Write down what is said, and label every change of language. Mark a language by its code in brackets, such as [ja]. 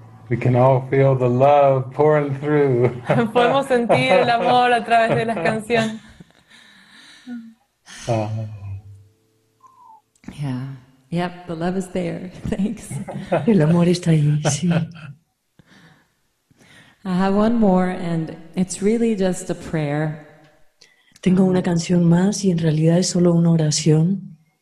[en] We can all feel the love pouring through. [es] Podemos sentir el amor a través de las canciones. [en] Yeah. Yep, the love is there. Thanks. [es] El amor está ahí, sí. [en] I have one more, and it's really just a prayer. [es] Tengo una canción más, y en realidad es solo una oración.